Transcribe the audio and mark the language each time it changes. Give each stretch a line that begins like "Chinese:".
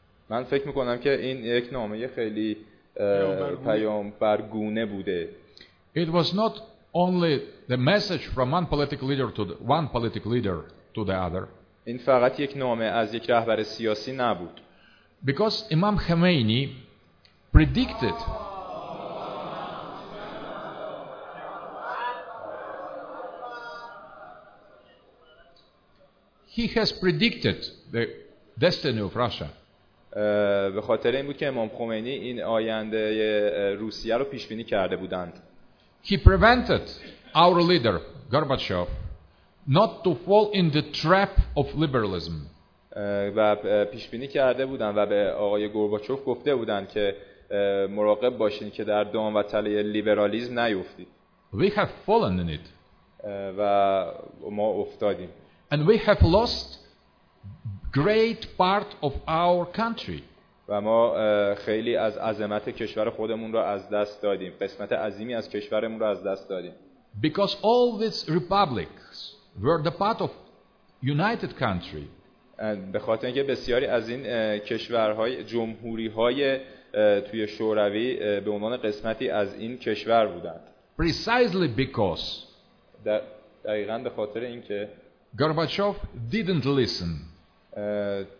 Persian: من فکر میکنم که این یک نامه خیلی پیامبرگونه بوده.
English: It was not only the message from one political leader to the other.
Persian: این فقط یک نامه از یک رهبر سیاسی نبود.
English: Because Imam Khomeini predicted he has predicted the destiny of Russia.
Persian: به خاطر این بود که امام خمینی این آینده روسیه رو پیش بینی کرده بودند.
English: He prevented our leader Gorbachev not to fall in the trap of liberalism.
Persian: و پیش بینی کرده بودند و به آقای گورباچوف گفته بودند که مراقب باشین که در دام و تله لیبرالیسم نیفتید.
English: We have fallen in it.
Persian: و ما افتادیم.
English: And we have lost great part of our country.
Persian: و ما خیلی از عظمت کشور خودمون رو از دست دادیم. قسمت عظیمی از کشورمون رو از دست دادیم.
English: Because all these republics were the part of united country.
Persian: به خاطر اینکه بسیاری از این کشورهای جمهوری‌های توی شوروی به عنوان قسمتی از این کشور بودند.
English: Precisely because
Persian: دقیقاً به خاطر اینکه
English: Gorbachev didn't listen.